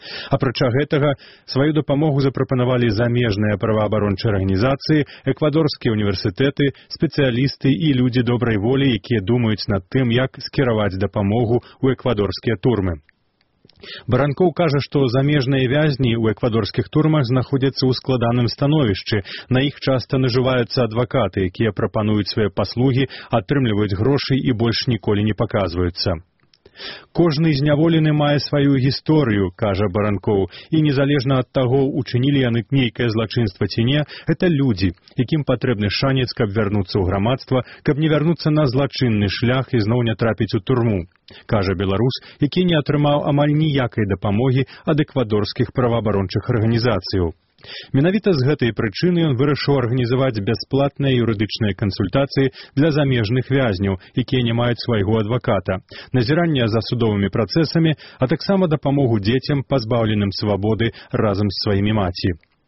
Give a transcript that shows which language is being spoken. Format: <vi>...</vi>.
<be>Апрача гэтага, сваю дапамогу запрапанавалі замежныя праваабарончыя арганізацыі, эквадорскія універсітэты, спецыялісты і людзі добрай волі, якія думаюць над тым, як скіраваць дапамогу ў эквадорскія турмы. Баранкоў кажа, што замежныя вязні ў эквадорскіх турмах знаходзяцца ў складаным становішчы. На іх часта нажываюцца адвакаты, якія прапануюць свае паслугі, атрымліваюць грошы і больш ніколі не паказваюцца.</be> <uk>Кожний зняволений має свою історію, каже Баранков, і незалежно від того, учинили вони нейке злочинство чи ні, це люди, яким потрібний шанець,</uk> <be>каб вернутися у громадство,</be> <uk>каб не вернутися на злочинний шлях і знову не трапити у тюрму, каже білорус, який не отримав амаль ніякої допомоги від еквадорських правоохоронних організацій.</uk> <be>Менавіта з гэтай прычыны ён вырашыў арганізаваць бясплатныя юрыдычныя кансультацыі для замежных вязняў, якія не маюць свайго адваката, назірання за судовымі працэсамі, а таксама дапамогу дзецям, пазбаўленым свабоды разам з сваімі маці.</be>